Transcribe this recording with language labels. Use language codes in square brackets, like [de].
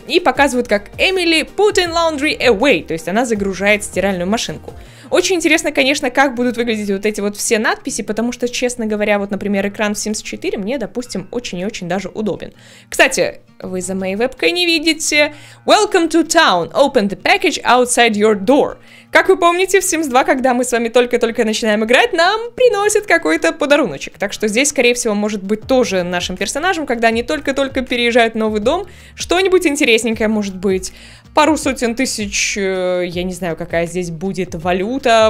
[ru] И показывают, как Эмили [en] putting laundry away. [ru] То есть она загружает стиральную машинку. Очень интересно, конечно, как будут выглядеть вот эти вот все надписи, потому что, честно говоря, вот, например, экран в Sims 4 мне, допустим, очень и очень даже удобен. Кстати, вы за моей вебкой не видите. [en] Welcome to town. Open the package outside your door. [ru] Как вы помните, в Sims 2, когда мы с вами только-только начинаем играть, нам приносят какой-то подаруночек. Так что здесь, скорее всего, может быть тоже нашим персонажем, когда они только-только переезжают в новый дом, что-нибудь интересненькое может быть. Пару сотен тысяч, я не знаю, какая здесь будет валюта.